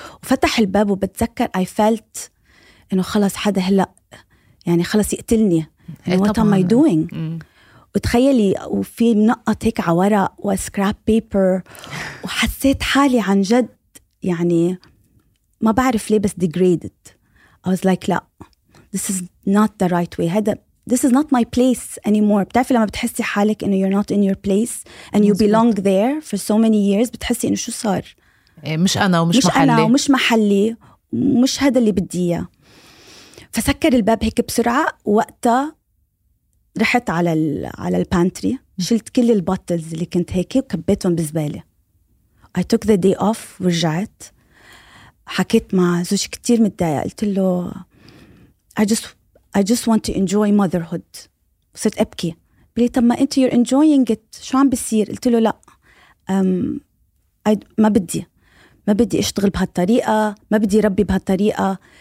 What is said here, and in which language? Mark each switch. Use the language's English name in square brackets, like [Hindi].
[Arabic] وفتح الباب وبتذكر [English] I felt [Arabic] إنه خلص حدا هلأ يعني خلص يقتلني [English] what am I doing. [Arabic] وتخيلي وفي نقط هيك عورق وscrap paper، وحسيت حالي عن جد يعني ما بعرف ليه بس degraded. [English] I was like [Arabic] لا [English] this is not the right way. This is not my place anymore. [Arabic] بتعرفي لما بتحسي حالك إنه [English] you're not in your place and you belong there for so many years، [Arabic] بتحسي إنه شو صار؟ مش أنا ومش مش محلي. مش أنا ومش محلي، مش هذا اللي بدي إياه. فسكر الباب هيك بسرعة، وقتها رحت على البانتري، شلت كل البطلز اللي كنت هيك وكبيتهم بزبالة. [English] I took the day off [Arabic] ورجعت. حكيت مع زوجي كتير متضايق، قلت له [English] I just want to enjoy motherhood. [Arabic] صرت أبكي. بلي طب ما أنت [English] you're enjoying it. [Arabic] شو عم بيصير؟ قلت له لا. ما بدي أشتغل بهالطريقة. ما بدي ربي بهالطريقة.